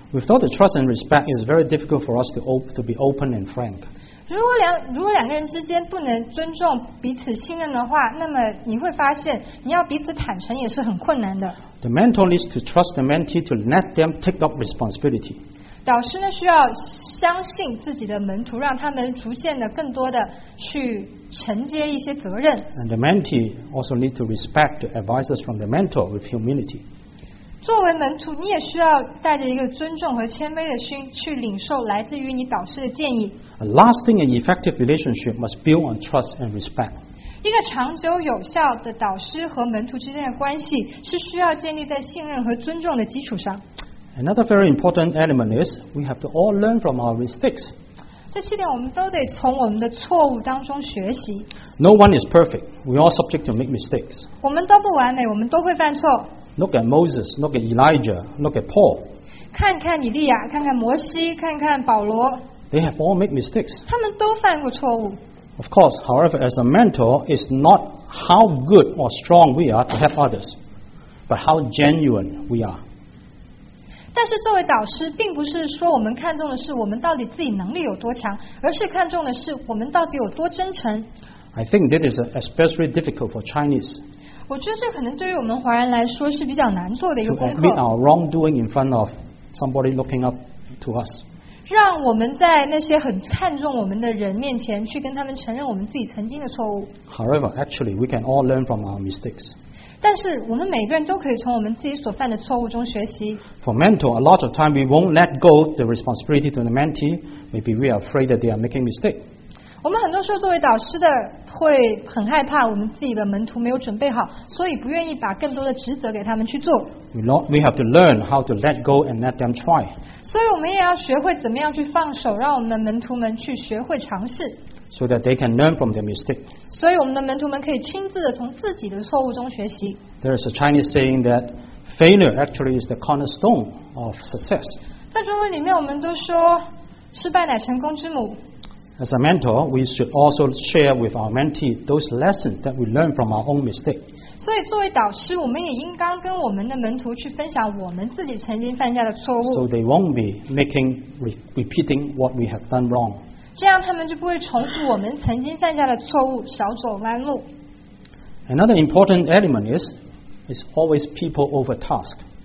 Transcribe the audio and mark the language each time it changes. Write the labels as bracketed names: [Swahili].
[English] Without the trust and respect, it's very difficult for us to be open and frank. [Chinese] 如果两个人之间不能尊重彼此信任的话，那么你会发现你要彼此坦诚也是很困难的。 [English] The mentor needs to trust the mentee to let them take up responsibility. [Chinese] 导师呢需要相信自己的门徒，让他们逐渐的更多的去承接一些责任。 [English] And the mentee also needs to respect the advices from the mentor with humility. [Chinese] 作为门徒，你也需要带着一个尊重和谦卑的心去领受来自于你导师的建议。 [English] A lasting and effective relationship must build on trust and respect. [Chinese] 一个长久有效的导师和门徒之间的关系是需要建立在信任和尊重的基础上。 [English] Another very important element is we have to all learn from our mistakes. [Chinese] 这七点我们都得从我们的错误当中学习。 [English] No one is perfect. We are subject to make mistakes. [Chinese] 我们都不完美，我们都会犯错。 [English] Look at Moses. Look at Elijah. Look at Paul. [Chinese] 看看以利亚，看看摩西，看看保罗。 [English] They have all made mistakes. [Chinese] 他们都犯过错误。 [English] Of course, however, as a mentor, it's not how good or strong we are to help others, but how genuine we are. [Chinese] 但是作为导师，并不是说我们看重的是我们到底自己能力有多强，而是看重的是我们到底有多真诚。 [English] I think that is especially difficult for Chinese. [Chinese] 我觉得这可能对于我们华人来说是比较难做的一个功课。 [English] To admit our wrongdoing in front of somebody looking up to us. [Chinese] 让我们在那些很看重我们的人面前去跟他们承认我们自己曾经的错误。 [English] However, actually, we can all learn from our mistakes. [Chinese] 但是我们每个人都可以从我们自己所犯的错误中学习。 [English] For mentor, a lot of time we won't let go the responsibility to the mentee. Maybe we are afraid that they are making mistakes. [Chinese] 我们很多时候作为导师的会很害怕我们自己的门徒没有准备好，所以不愿意把更多的职责给他们去做。 [English] We have to learn how to let go and let them try. [Chinese] 所以我们也要学会怎么样去放手，让我们的门徒们去学会尝试。 [English] So that they can learn from their mistakes. [Chinese] 所以我们的门徒们可以亲自的从自己的错误中学习。 [English] There is a Chinese saying that failure actually is the cornerstone of success. [Chinese] 在中文里面，我们都说失败乃成功之母。 [English] As a mentor, we should also share with our mentee those lessons that we learn from our own mistakes. [Chinese] 所以作为导师，我们也应当跟我们的门徒去分享我们自己曾经犯下的错误。 [English] So they won't be making repeating what we have done wrong. [Chinese] 这样他们就不会重复我们曾经犯下的错误，少走弯路。 [English] Another important element is, it's always people over task.